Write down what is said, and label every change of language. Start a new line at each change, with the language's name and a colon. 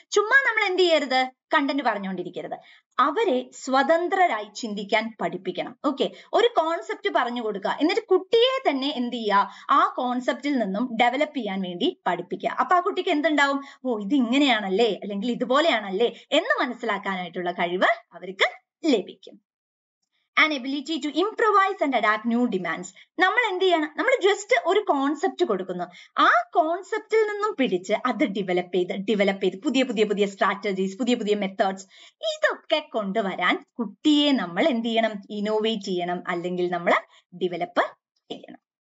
Malayalam: ചുമ്മാ നമ്മൾ എന്ത് ചെയ്യരുത്, കണ്ടന്റ് പറഞ്ഞുകൊണ്ടിരിക്കരുത്, അവരെ സ്വതന്ത്രരായി ചിന്തിക്കാൻ പഠിപ്പിക്കണം. ഓക്കെ, ഒരു കോൺസെപ്റ്റ് പറഞ്ഞു കൊടുക്കുക, എന്നിട്ട് കുട്ടിയെ തന്നെ എന്ത് ചെയ്യുക, ആ കോൺസെപ്റ്റിൽ നിന്നും ഡെവലപ്പ് ചെയ്യാൻ വേണ്ടി പഠിപ്പിക്കുക. അപ്പൊ ആ കുട്ടിക്ക് എന്തുണ്ടാവും, ഓ ഇത് ഇങ്ങനെയാണല്ലേ, അല്ലെങ്കിൽ ഇതുപോലെയാണല്ലേ എന്ന് മനസ്സിലാക്കാനായിട്ടുള്ള കഴിവ് അവർക്ക് ലഭിക്കും.
English: An ability to improvise and adapt new demands.
Malayalam: നമ്മൾ എന്ത് ചെയ്യണം, നമ്മൾ ജസ്റ്റ് ഒരു കോൺസെപ്റ്റ് കൊടുക്കുന്നു, ആ കോൺസെപ്റ്റിൽ നിന്നും പിടിച്ച് അത് ഡെവലപ്പ് ചെയ്ത് പുതിയ സ്ട്രാറ്റജീസ്, പുതിയ പുതിയ മെത്തേഡ്സ് ഇതൊക്കെ കൊണ്ടുവരാൻ കുട്ടിയെ നമ്മൾ എന്ത് ചെയ്യണം, ഇന്നോവേറ്റ് ചെയ്യണം, അല്ലെങ്കിൽ നമ്മൾ ഡെവലപ്പ് ചെയ്യണം.